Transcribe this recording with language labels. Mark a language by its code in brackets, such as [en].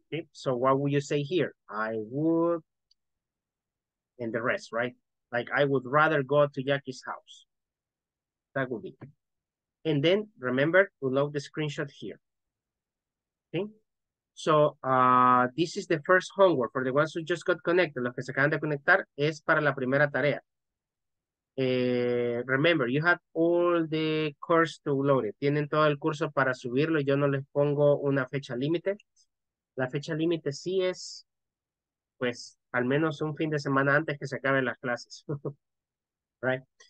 [en] So what would you say here? I would, and the rest, right? Like I would rather go to Jackie's house. That would be. And then remember to load the screenshot here. Okay. So this is the first homework for the ones who just got connected. [es] Los que se acaban de conectar es para la primera tarea. [en] Remember, you have all the course to load it. [es] Tienen todo el curso para subirlo. Yo no les pongo una fecha límite. La fecha límite sí es, pues, al menos un fin de semana antes que se acaben las clases. Right?